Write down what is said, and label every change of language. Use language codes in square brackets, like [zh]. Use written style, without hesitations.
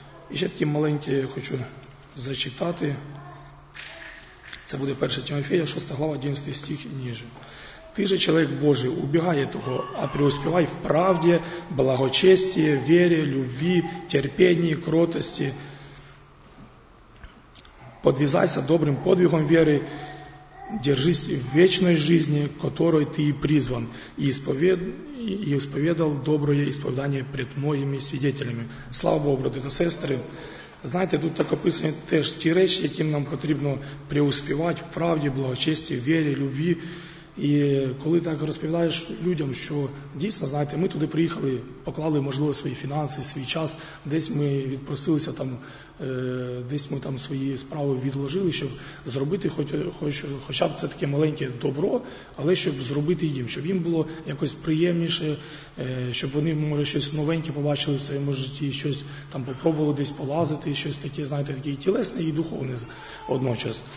[uk] І ще таке маленьке я хочу зачитати. Це буде 1 Тимофія, 6 глава, 11 стих ніже. Ти же, чоловік Божий, убігай того, а преуспівай в правді, благочесті, вірі, любві, терпінні, кротості. Подвізайся добрим подвигом віри. [ru] Держись в вечной жизни, которой ты и призван, и исповедал доброе исповедание пред многими свидетелями. [uk] Слава Богу, брати та сестри. Знаєте, тут так описані теж ті речі, яким нам потрібно преуспівати в правді, благочесті, вірі, любві. І коли так розповідаєш людям, що дійсно, знаєте, ми туди приїхали, поклали, можливо, свої фінанси, свій час, десь ми відпросилися там, десь ми там свої справи відложили, щоб зробити хоча б це таке маленьке добро, але щоб зробити їм, щоб їм було якось приємніше, щоб вони, може, щось новеньке побачили в своєму житті, щось там попробували десь полазити, щось таке, знаєте, таке і тілесне, і духовне одночас.